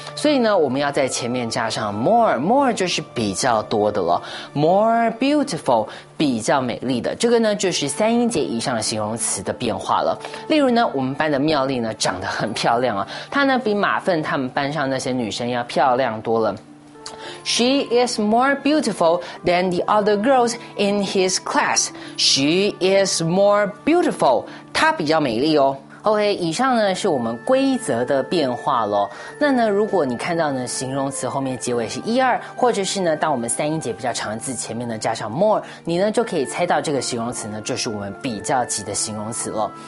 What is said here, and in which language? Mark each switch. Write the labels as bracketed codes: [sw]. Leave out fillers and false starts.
[zh] 所以呢，我们要在前面加上 more， more 就是比较多的了。 [en] more beautiful， [zh] 比较美丽的。这个呢，就是三音节以上的形容词的变化了。例如呢，我们班的妙丽呢，长得很漂亮啊，她呢，比马粪他们班上那些女生要漂亮多了。 [en] She is more beautiful than the other girls in his class. She is more beautiful. [zh] 她比较美丽哦。 OK， 以上呢是我们规则的变化咯。那呢如果你看到呢形容词后面结尾是一二，或者是呢当我们三音节比较长的字前面呢加上 more， 你呢就可以猜到这个形容词呢就是我们比较级的形容词咯。